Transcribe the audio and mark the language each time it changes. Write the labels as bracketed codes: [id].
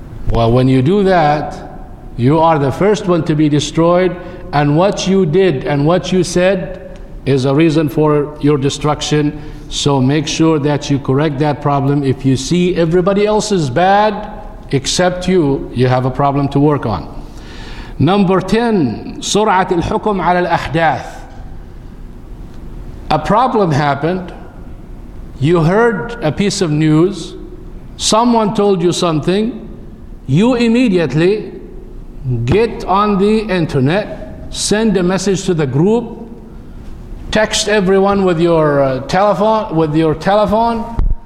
[en] Well, when you do that, you are the first one to be destroyed, and what you did and what you said is a reason for your destruction. So make sure that you correct that problem. If you see everybody else is bad except you, you have a problem to work on. Number 10, [ar] سرعة الحكم على الأحداث. [en] A problem happened, you heard a piece of news, someone told you something, you immediately get on the internet, send a message to the group, text everyone with your telephone,